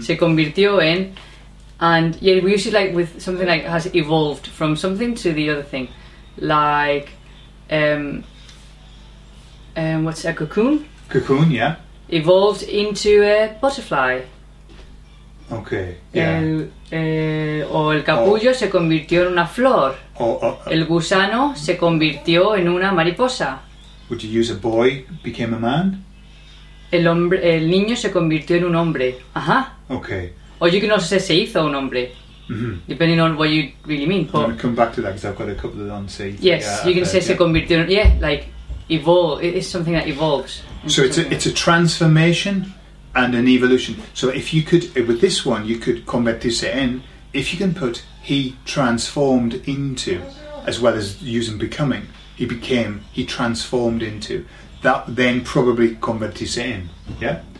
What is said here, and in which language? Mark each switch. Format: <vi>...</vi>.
<es>Se convirtió en,</es> <en>and yeah, we usually like with something like has evolved from something to the other thing, like what's a cocoon? Cocoon, yeah. Evolved into a butterfly. Okay, yeah.</en> <es>El capullo se convirtió en una flor. El gusano se convirtió en una mariposa.</es> <en>Would you use a boy became a man?</en> <es>El niño se convirtió en un hombre. Ajá.</es> <en>Okay. Or you can also say</en> <es>se hizo un hombre. Mm-hmm.</es> <en>Depending on what you really mean. I'm going to come back to that because I've got a couple of non-se. Yes, you can say</en> <es>se convirtió en...</es> <en>Yeah, like evolve. It's something that evolves. So it's a transformation and an evolution. So if you could, with this one, you could convertirse en, if you can put he transformed into, as well as using becoming, he became, he transformed into, that then probably convertirse en, yeah?</en>